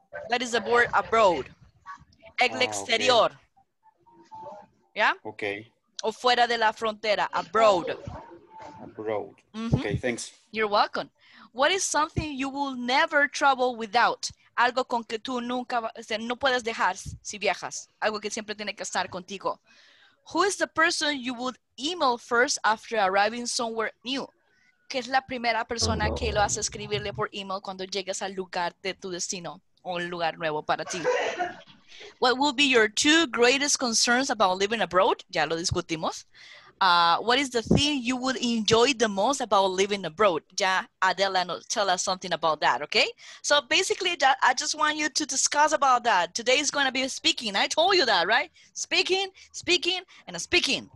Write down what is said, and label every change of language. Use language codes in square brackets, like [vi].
[en] That is the word abroad. [es] El exterior. [en] Okay. Yeah? Okay. [es] O fuera de la frontera, abroad. [en] Abroad. Mm-hmm. Okay, thanks. You're welcome. What is something you will never travel without? [es] Algo con que tú nunca, no puedes dejar si viajas. Algo que siempre tiene que estar contigo. [en] Who is the person you would email first after arriving somewhere new? [es] ¿Qué es la primera persona que lo hace escribirle por email cuando llegas al lugar de tu destino o un lugar nuevo para ti? [en] What will be your two greatest concerns about living abroad? [es] Ya lo discutimos. [en] What is the thing you would enjoy the most about living abroad? Ya Adela will tell us something about that, okay? So basically, I just want you to discuss about that. Today is going to be speaking. I told you that, right? Speaking, and speaking.